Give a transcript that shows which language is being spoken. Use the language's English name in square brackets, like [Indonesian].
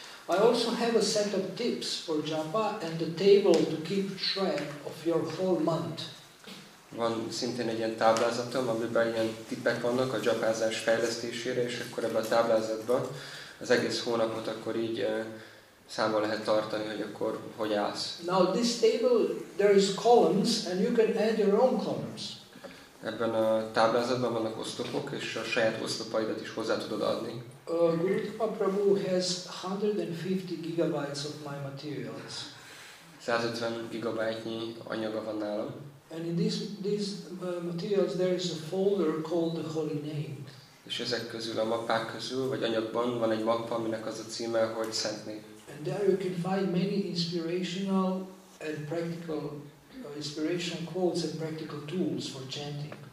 [English] I also have a set of tips for japa and a table to keep track of your whole month. [Hungarian] Van szintén egy ilyen táblázatom, amiben ilyen tippek vannak a japázás fejlesztésére, és akkor ebben a táblázatban az egész hónapot akkor így számon lehet tartani, hogy akkor hogy állsz. [English] Now this table there is columns and you can add your own columns. [Hungarian] Ebben a táblázatban vannak oszlopok, és a saját oszlopaidat is hozzá tudod adni. [English] Gurudeva Prabhu has 150 gigabytes of my materials. [Hungarian] 150 gigabájtnyi anyaga van nálam. [English] And in these materials there is a folder called the holy name. [Hungarian] És ezek közül, a mappák közül, vagy anyagban van egy mappa, aminek az a címe, hogy Szent Név. [English] And there you can find many inspirational and practical inspiration quotes and practical tools for chanting.